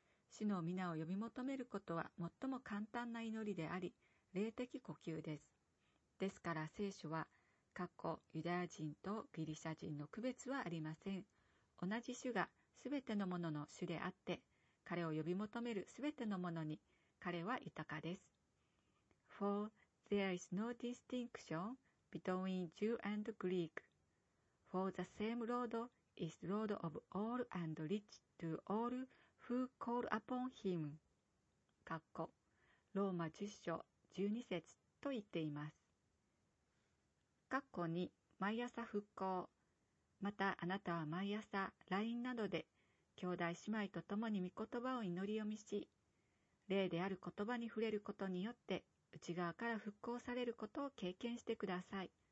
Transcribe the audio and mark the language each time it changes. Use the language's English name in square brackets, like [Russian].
[Japanese] 主の皆を呼び求めることは最も簡単な祈りであり、霊的呼吸です。ですから聖書は、ユダヤ人とギリシャ人の区別はありません。同じ主がすべてのものの主であって、彼を呼び求めるすべてのものに彼は豊かです。 [English] For there is no distinction between Jew and Greek. For the same Lord is Lord of all and rich to all who call upon him. [Japanese] ローマ10章12節と言っています。 2. 毎朝復興。またあなたは毎朝 LINE などで兄弟姉妹と共に御言葉を祈り読みし、霊である言葉に触れることによって内側から復興されることを経験してください。